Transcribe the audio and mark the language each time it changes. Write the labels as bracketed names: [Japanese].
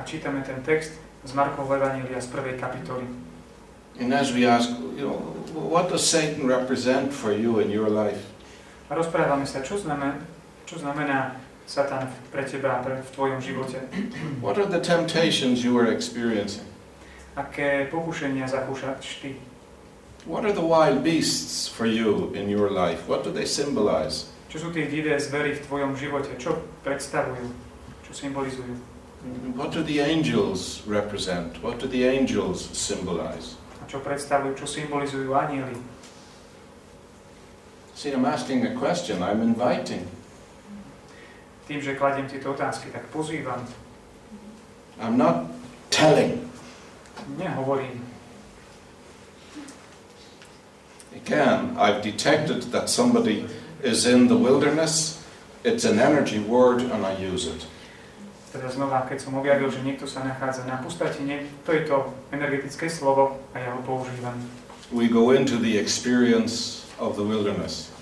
[Slovak] A čítame ten text z Markovho evanjelia z prvej kapitoly. [English] And as we ask, you know, what does Satan represent for you in your life? [Slovak] A rozprávame sa, čo znamená Satan pre teba v tvojom živote. [English] What are the temptations you are experiencing? [Slovak] Aké pokušenia zakúšaš ty? [English] What are the wild beasts for you in your life? What do they symbolize? [Slovak] Čo sú tie divé zvery v tvojom živote? Čo predstavujú? Čo symbolizujú? [English] What do the angels represent? What do the angels symbolize? [Slovak] A čo predstavujú? Čo symbolizujú anjeli? [English] See, I'm asking a question. I'm inviting. [Slovak] Tým, že kladiem tieto otázky, tak pozývam. [English] I'm not telling. [Slovak] Nehovorím. [English] Again, I've detected that somebody is in the wilderness. It's an energy word and I use it. [Slovak] Teda znova, keď som objavil, že niekto sa nachádza na pustatine, to je to energetické slovo a ja ho používam. [English] We go into the experience of the wilderness.